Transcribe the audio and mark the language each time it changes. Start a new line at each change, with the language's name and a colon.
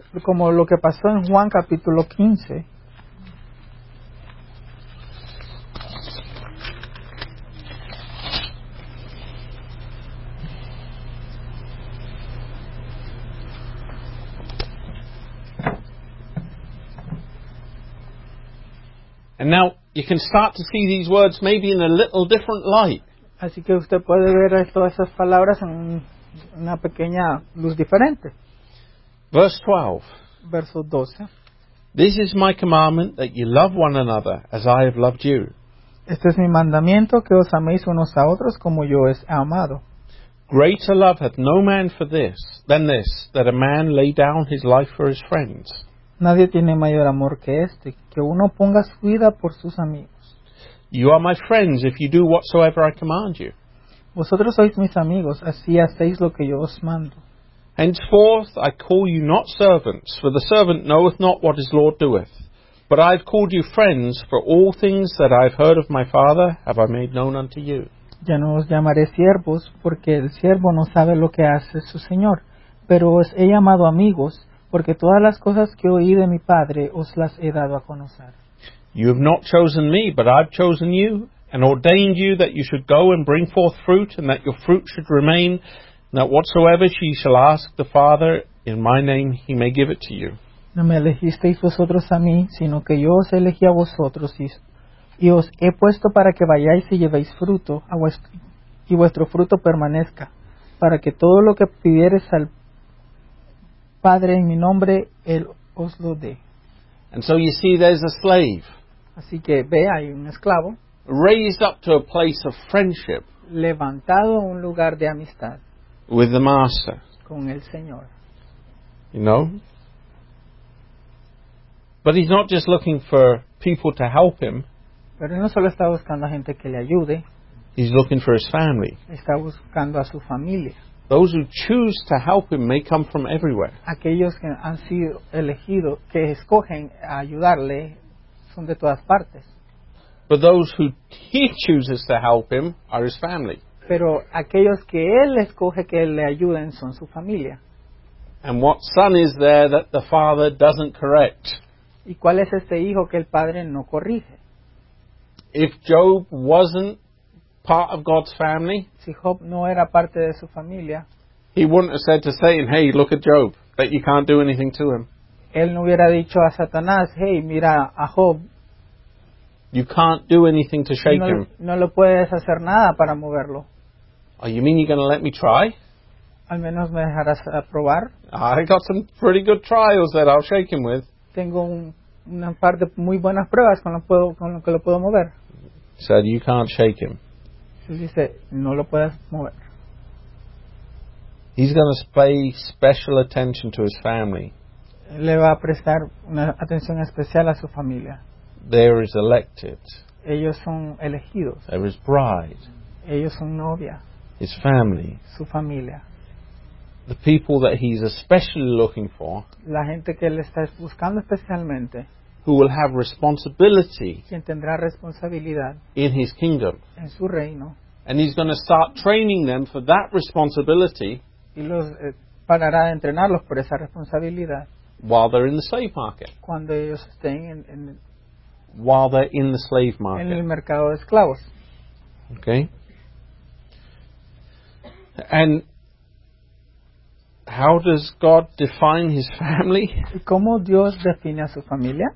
Spanish: Como lo que pasó en Juan capítulo 15.
English: And now you can start to see these words maybe in a little different light.
Spanish: Así que usted puede ver todas esas palabras en una pequeña luz diferente. Verso 12.
English: This is my commandment, that you love one another as I have loved you.
Spanish: Este es mi mandamiento, que os améis unos a otros como yo os he amado.
English: Greater love hath no man for this than this, that a man lay down his life for his friends.
Spanish: Nadie tiene mayor amor que este, que uno ponga su vida por sus amigos.
English: You are my friends if you do whatsoever I command you.
Spanish: Vosotros sois mis amigos, así hacéis lo que yo os mando.
English: Henceforth I call you not servants, for the servant knoweth not what his Lord doeth. But I have called you friends, for all things that I have heard of my Father have I made known unto you.
Spanish: Ya no os llamaré siervos, porque el siervo no sabe lo que hace su Señor. Pero os he llamado amigos, porque todas las cosas que oí de mi Padre os las he dado a conocer.
English: You have not chosen me, but I have chosen you, and ordained you that you should go and bring forth fruit, and that your fruit should remain, and that whatsoever she shall ask the Father in my name, he may give it to you.
Spanish: No me elegisteis vosotros a mí, sino que yo os elegí a vosotros, y os he puesto para que vayáis y llevéis fruto, y vuestro fruto permanezca, para que todo lo que pidiereis al Padre en mi nombre, él os lo dé.
English: And so you see, there's a slave.
Spanish: Así que ve, hay un esclavo.
English: Raised up to a place of friendship.
Spanish: Levantado a un lugar de amistad.
English: With the master.
Spanish: Con el Señor.
English: You know? But he's not just looking for people to help him.
Spanish: Pero no solo está buscando a gente que le ayude.
English: He's looking for his family.
Spanish: Está buscando a su familia.
English: Those who choose to help him may come from everywhere.
Spanish: Aquellos que han sido elegidos, que escogen ayudarle, son de todas partes.
English: But those who he chooses to help him are his family.
Spanish: Pero aquellos que él escoge que le ayuden son su familia.
English: And what son is there that the father doesn't correct?
Spanish: ¿Y cuál es este hijo que el padre no corrige?
English: If Job wasn't part of God's family,
Spanish: si Job no era parte de su familia,
English: he wouldn't have said to Satan, hey, look at Job, that you can't do anything to him.
Spanish: Él no hubiera dicho a Satanás, hey, mira a Job.
English: You can't do anything to shake him.
Spanish: No le puedes hacer nada para moverlo.
English: Oh, you mean you're going to let me try?
Spanish: Al menos me dejarás probar.
English: I got some pretty good trials that I'll shake him with.
Spanish: Tengo una par de muy buenas pruebas con lo que lo puedo mover.
English: So you can't shake him.
Spanish: Él dice, no lo puedes mover.
English: He's going to pay special attention to his family.
Spanish: Le va a prestar una atención especial a su familia.
English: There is elected.
Spanish: Ellos son elegidos.
English: There is bride.
Spanish: Ellos son novia.
English: His family.
Spanish: Su familia.
English: The people that he's especially looking for.
Spanish: La gente que él está buscando especialmente.
English: Who will have responsibility.
Spanish: Quien tendrá responsabilidad.
English: In his kingdom.
Spanish: En su reino.
English: And he's going to start training them for that responsibility.
Spanish: Y los parará de entrenarlos por esa responsabilidad.
English: While they're in the slave market.
Spanish: Cuando ellos estén en
English: while they're in the slave market.
Spanish: En el mercado de esclavos.
English: Okay? And how does God define his family?
Spanish: ¿Cómo Dios define a su familia?